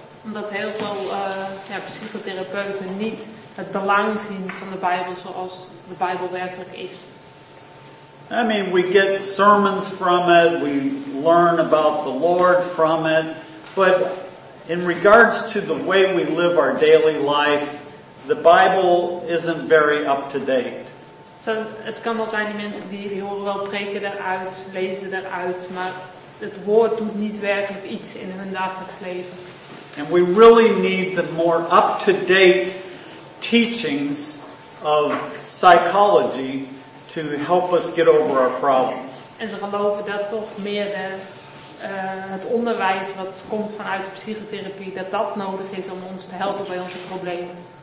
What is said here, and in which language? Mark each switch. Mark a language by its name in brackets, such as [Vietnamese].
[Dutch] Omdat heel veel psychotherapeuten niet het belang zien van de Bijbel zoals de Bijbel werkelijk is. [English] I mean, we get sermons from it, we learn about the Lord from it, but in regards to the way we live our daily life, the Bible isn't very up to date. [Dutch] So, het kan wel zijn die mensen die horen wel preken eruit, lezen eruit, maar het woord doet niet werkelijk iets in hun dagelijks leven. [English] And we really need the more up-to-date teachings of psychology to help us get over our problems. [Dutch] En ze geloven dat toch meer de, het onderwijs wat komt vanuit de psychotherapie, dat dat nodig is om ons te helpen bij onze problemen.